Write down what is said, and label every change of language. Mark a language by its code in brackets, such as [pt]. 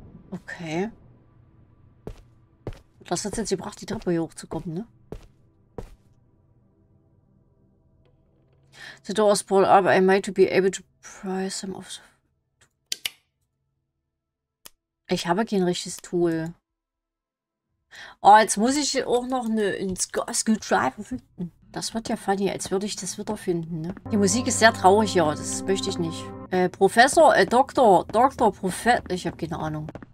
[de] Okay. Okay. Das hat es jetzt gebracht, die Treppe hier hochzukommen, ne? [en] The door is pulled up. I might be able to pry some of the. [de] Ich habe kein richtiges Tool. Oh, jetzt muss ich auch noch eine Screwdriver finden. Das wird ja funny, als würde ich das wieder finden. Ne? Die Musik ist sehr traurig, ja. Das möchte ich nicht. Professor, Doktor, Doktor, Professor. Ich habe keine Ahnung.